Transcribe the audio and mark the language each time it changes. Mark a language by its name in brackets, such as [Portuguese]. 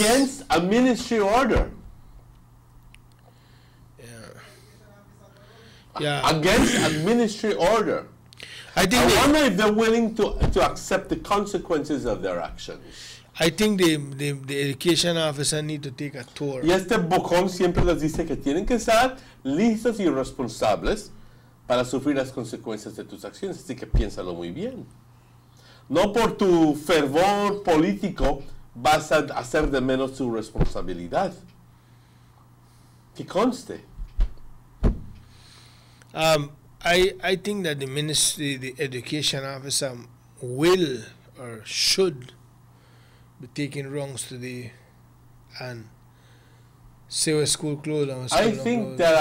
[English] Against a ministry order. Yeah. Against a ministry order. I wonder if they're willing to accept the consequences of their actions. I think the education officer need to take a tour. [Spanish] Y este bocón siempre les dice que tienen que estar listos y responsables para sufrir las consecuencias de tus acciones. Así que piénsalo muy bien. No por tu fervor político vas a hacer de menos tu responsabilidad. Que conste. [English] I think that the ministry, the education officer, will or should be taking wrongs today and say we're school closed and school I think that